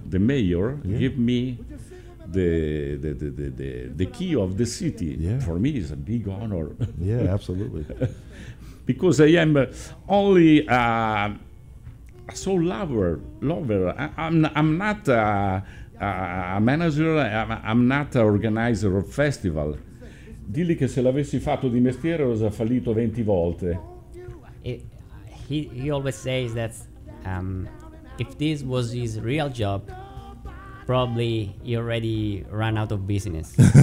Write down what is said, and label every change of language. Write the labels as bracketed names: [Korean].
[English] the mayor, yeah, gave me the key of the city. Yeah. For me, it's a big honor. Yeah, absolutely. Because I am only a soul lover. I'm not a manager, I'm not an organizer of festival. [Italian] Dilli che se l'avessi fatto di mestiere lo sarei fallito 20 volte. [English] He always says that if this was his real job, probably he already ran out of business.